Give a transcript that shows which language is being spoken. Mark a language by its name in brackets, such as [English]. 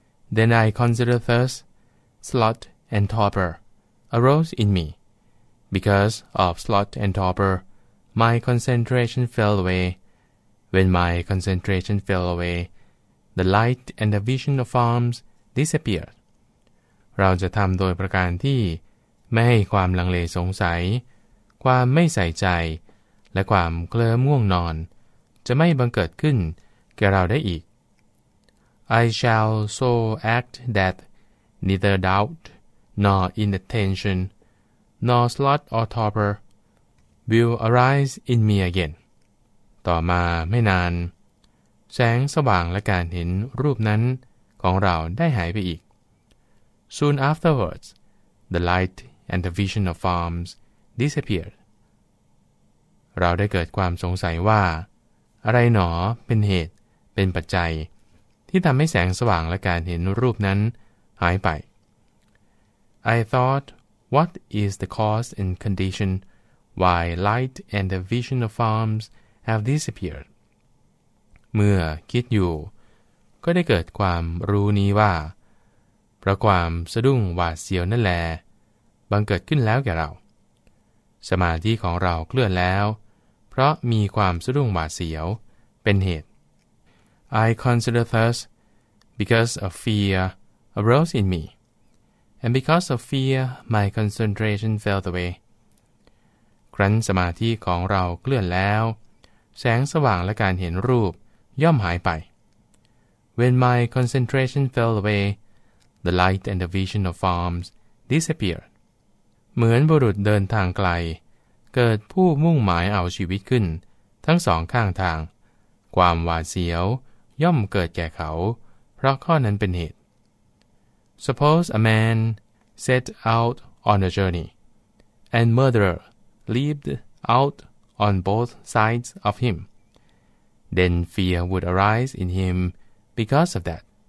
[English] Then I consider thirst, sloth and torpor arose in me. Because of sloth and torpor, my concentration fell away. When my concentration fell away, the light and the vision of forms disappeared. [Thai] เราจะทำโดยประการที่ไม่ให้ความลังเลสงสัยความไม่ใส่ใจและความเคลิ้มง่วงนอนจะไม่บังเกิดขึ้นแก่เราได้อีก [English] I shall so act that neither doubt nor inattention nor sloth or torpor will arise in me again. [Thai] ต่อมาไม่นานแสงสว่างและการเห็นรูปนั้นของเราได้หายไปอีก [English] Soon afterwards, the light and the vision of forms disappeared. [Thai] เราได้เกิดความสงสัยว่าอะไรหนอเป็นเหตุเป็นปัจจัยที่ทำให้แสงสว่างและการเห็นรูปนั้นหายไป [English] I thought, what is the cause and condition why light and the vision of forms have disappeared? [Thai] เมื่อคิดอยู่ก็ได้เกิดความรู้นี้ว่าเพราะความสะดุ้งหวาดเสียวนั่นแลบังเกิดขึ้นแล้วแก่เราสมาธิของเราเคลื่อนแล้วเพราะมีความสะดุ้งหวาดเสียวเป็นเหตุ [English] I consider thus because of fear arose in me and because of fear my concentration fell away [Thai] ครั้นสมาธิของเราเคลื่อนแล้วแสงสว่างและการเห็นรูปย่อมหายไป [English] When my concentration fell awayThe light and the vision of forms disappeared. [Thai] เหมือนบุรุษเดินทางไกลเกิดผู้มุ่งหมายเอาชีวิตขึ้นทั้งสองข้างทางความหวาดเสียวย่อมเกิดแก่เขาเพราะข้อนั้นเป็นเหตุ [English] Suppose a man set out on a journey, and murderer leaped out on both sides of him. Then fear would arise in him because of that.